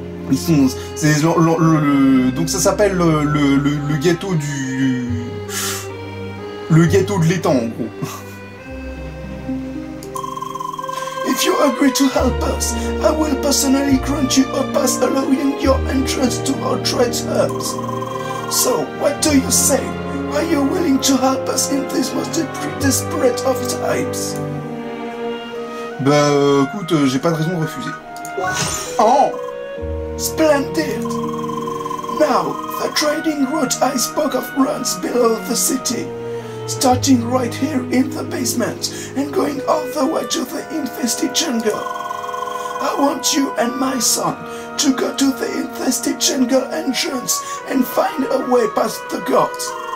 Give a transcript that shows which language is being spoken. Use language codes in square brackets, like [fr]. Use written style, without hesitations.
[fr] Ils sont, c'est le donc ça s'appelle le gâteau du le gâteau de l'étang en gros. [en] If you agree to help us, I will personally grant you a pass allowing your entrance to our trade hubs. So, what do you say? Are you willing to help us in this most desperate of times? [fr] Bah, écoute, j'ai pas de raison de refuser. [en] Oh! Splendid! Now, the trading route I spoke of runs below the city, starting right here in the basement and going all the way to the infested jungle. I want you and my son to go to the infested jungle entrance and find a way past the gods.